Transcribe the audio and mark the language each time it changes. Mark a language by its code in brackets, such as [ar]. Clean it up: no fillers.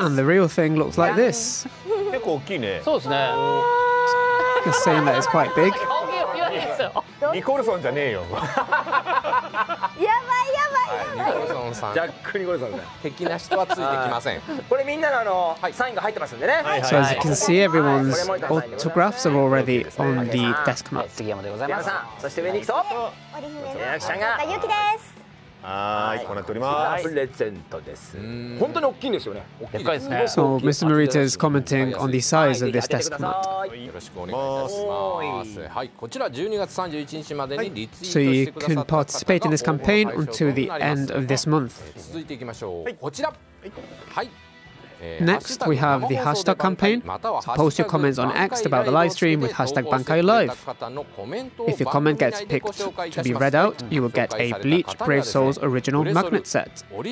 [en] And the real thing looks like this. [ja] 結構大きいね。そうですね。 [en] The same that is quite big. [ja] ニコルソンじゃねえよ。やばいやばいやばい。ニコルソンさん。ジャックニコルソンさん。敵な人はついてきません。これみんなのあのサインが入ってますんでね。 [en] So as you can see, everyone's autographs are already on the desk mat. [ja] 杉山でございます。そして上に行くと、織姫の役者が岡由紀です。はい、こうなっております。プレゼントです。本当に大きいんですよね。でかいですね。 [en] So, Mr. Morita is commenting on the size of this desk mat. [ja] よろしくお願いします。はい、こちら12月31日までにリツイートしてください。 [en] So you can participate in this campaign until the end of this month. [ja] 続いていきましょう。こちら。はい。 [en] Next, we have the hashtag campaign. So post your comments on X about the live stream with hashtag Bankai Live. If your comment gets picked to be read out, you will get a Bleach Brave Souls original magnet set.